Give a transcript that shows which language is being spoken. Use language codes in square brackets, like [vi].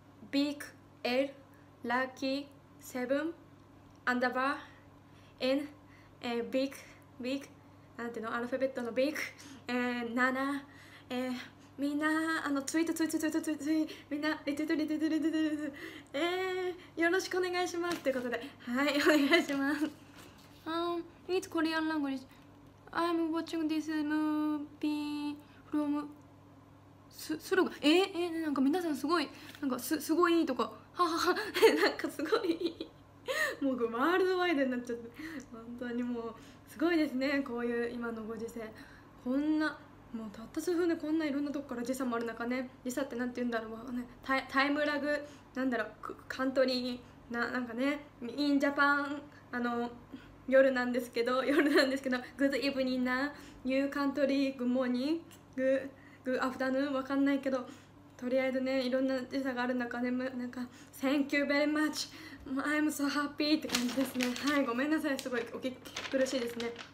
[ja] big l lucky 7 underbar n big なんていうのアルファベットのビッグ7、みんなあのツイートツイートツイートツイートみんなリツイートリツイートリツイートリツイートよろしくお願いしますということで、はい、お願いします。 [en] It's Korean language. I'm watching this movie from スルガ。 [ja] なんか皆さんすごい、なんか すごいとかははは、なんかすごいもうワールドワイドになっちゃって本当にもうすごいですね、こういう今のご時世、こんなもうたった数分でこんないろんなとこから時差もある中ね、時差ってなんて言うんだろう、ね、タイムラグなんだろう、カントリーなんかね、インジャパン、あの夜なんですけど、グッドイブニーナニューカントリーグモーニング グアフタヌーン、わかんないけど、とりあえずね、いろんな時差がある中ね、なんか [en] Thank you very much I'm so happy [ja] って感じですね、はい、ごめんなさい、すごいお聞き苦しいですね、